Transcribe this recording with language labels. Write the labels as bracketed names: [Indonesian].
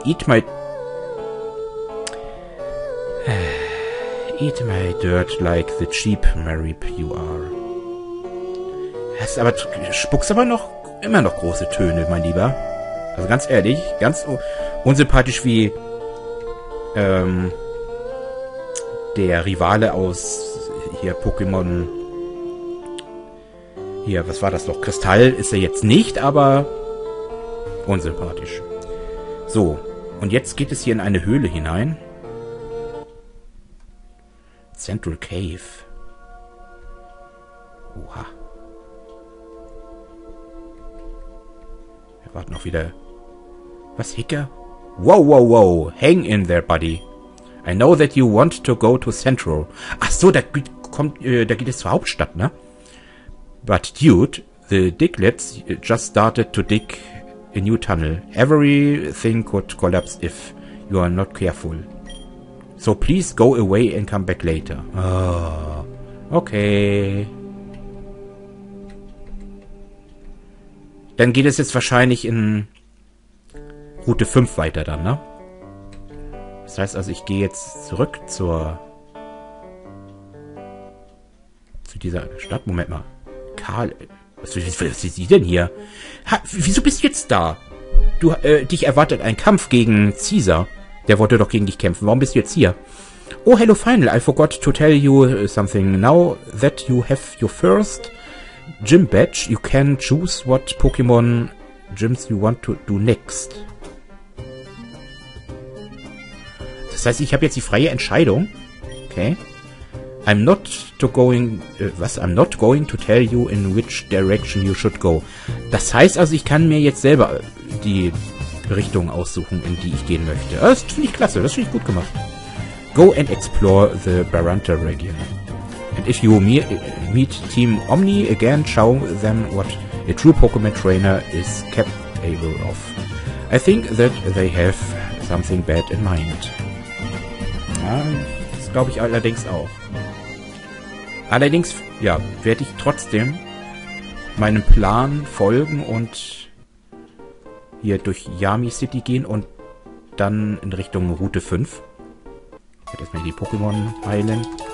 [English] Eat my dirt like the cheap Marip you are. [German] Das ist aber, spuckst aber noch immer noch große Töne, mein Lieber. Also ganz ehrlich, ganz unsympathisch wie der Rivale aus hier Pokémon. Hier, was war das noch? Kristall ist er jetzt nicht, aber unsympathisch. So, und jetzt geht es hier in eine Höhle hinein. [English] Central Cave. Oha. [German] Wir warten auch wieder. Was, Hicker? Wow, wow, wow. [English] Hang in there, buddy. I know that you want to go to Central. [German] Ach so, da geht es zur Hauptstadt, ne? [English] But dude, the Diglets just started to dig a new tunnel. Everything could collapse if you are not careful. So please go away and come back later. Oh, okay. [German] Dann geht es jetzt wahrscheinlich in Route 5 weiter dann, ne? Das heißt also, ich gehe jetzt zurück zu dieser Stadt. Moment mal. Karl, was ist sie denn hier? Wieso bist du jetzt da? Dich erwartet ein Kampf gegen Caesar. Der wollte doch gegen dich kämpfen. Warum bist du jetzt hier? [English] Oh, hello, Final. I forgot to tell you something. Now that you have your first gym badge, you can choose what Pokémon gyms you want to do next. [German] Das heißt, ich habe jetzt die freie Entscheidung. Okay. [English] I'm not going to tell you in which direction you should go. [German] Das heißt also, ich kann mir jetzt selber die Richtung aussuchen, in die ich gehen möchte. Das finde ich klasse, das finde ich gut gemacht. [English] Go and explore the Baranta region. And if you meet Team Omni again, show them what a true Pokémon trainer is capable of. I think that they have something bad in mind. [German] Ja, das glaube ich allerdings auch. Allerdings, ja, werde ich trotzdem meinem Plan folgen und hier durch Yami City gehen und dann in Richtung Route 5. Ich werde erstmal die Pokémon heilen.